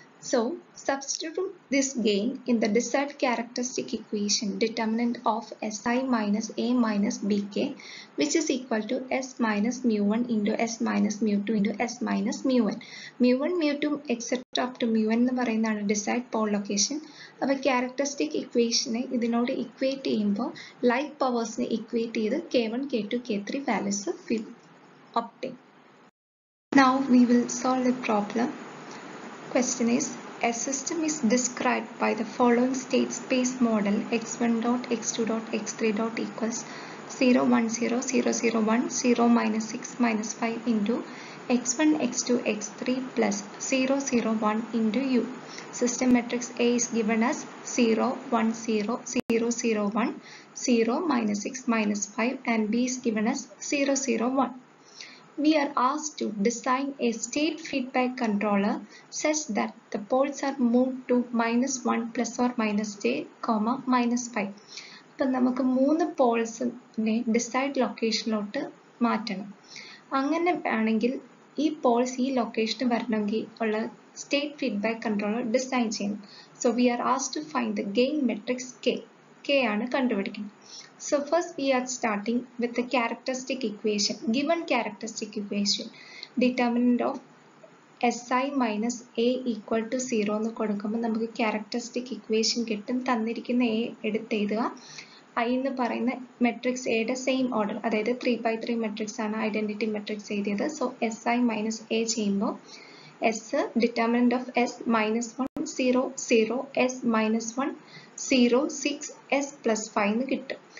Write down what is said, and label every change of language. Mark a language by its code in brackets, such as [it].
[en] So substitute this gain in the decide characteristic equation determinant of s I minus A minus B K which is equal to s minus mu one into s minus mu two into s minus mu one. [ml] Mu one mu two except of two mu one എന്ന് പറയുന്നതാണ് decide Paul location. അപ്പോൾ characteristic ഇക്വേഷനെ ഇതിനോട് equate ചെയ്യുമ്പോൾ like പവേഴ്സിനെ equate ചെയ്ത് K one K two K three values ഒപ്റ്റെ. [en] Now we will solve the problem. Question is, a system is described by the following state space model x1 dot x2 dot x3 dot equals 0 1 0 0 0 1 0 minus 6 minus 5 into x1 x2 x3 plus 0 0 1 into u. System matrix A is given as 0 1 0 0 0 1 0 minus 6 minus 5 and B is given as 0 0 1. We are asked to design a state feedback controller such that the poles are moved to minus 1 plus or minus j, comma minus 5. [ml] അപ്പോൾ നമുക്ക് മൂന്ന് പോൾസിനെ decide ലൊക്കേഷനിലോട്ട് മാറ്റണം. അങ്ങനെ ആണെങ്കിൽ ഈ Paul's ഈ ലൊക്കേഷന് വരണമെങ്കിൽ ഉള്ള സ്റ്റേറ്റ് ഫീഡ്ബാക്ക് കൺട്രോളർ ഡിസൈൻ ചെയ്യണം. [en] So we are asked to find the gain matrix K. [ml] K ആണ് കണ്ടുപിടിക്കുന്നത്. [en] So first we are starting with the characteristic equation, given characteristic equation, determinant of SI minus A equal to 0 [ml] എന്ന് കൊടുക്കുമ്പോൾ നമുക്ക് [en] characteristic equation [ml] കിട്ടും. തന്നിരിക്കുന്ന A എടുത്ത് എഴുതുക. I എന്ന് പറയുന്ന മെട്രിക്സ് എയുടെ സെയിം ഓർഡർ, അതായത് 3x3 മെട്രിക്സ് ആണ് ഐഡൻറ്റിറ്റി മെട്രിക്സ് എഴുതിയത്. [en] so s I minus A ചെയ്യുമ്പോൾ s determinant of s minus 1 0 0 s minus 1 0 6 s plus 5 [ml] എന്ന് കിട്ടും.